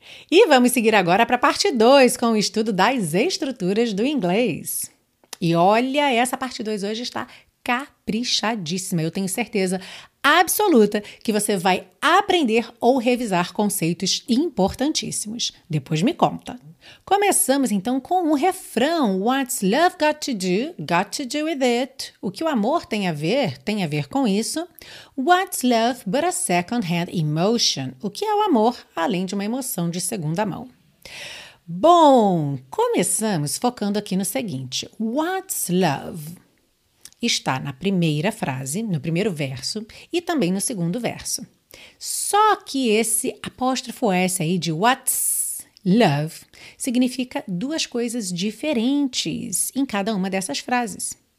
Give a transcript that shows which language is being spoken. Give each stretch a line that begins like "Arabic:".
Portuguese: E vamos seguir agora para a parte 2 com o estudo das estruturas do inglês. E olha, essa parte 2 hoje está caprichadíssima. Eu tenho certeza absoluta que você vai aprender ou revisar conceitos importantíssimos. Depois me conta. Começamos então com um refrão.
English: What's love got to do with it?
Portuguese: O que o amor tem a ver com isso.
English: What's love but a second-hand emotion?
Portuguese: O que é o amor, além de uma emoção de segunda mão? Bom, começamos focando aqui no seguinte.
English: What's love?
Portuguese: Está na primeira frase, no primeiro verso e também no segundo verso. Só que esse apóstrofo S aí de what's love significa duas coisas diferentes em cada uma dessas frases.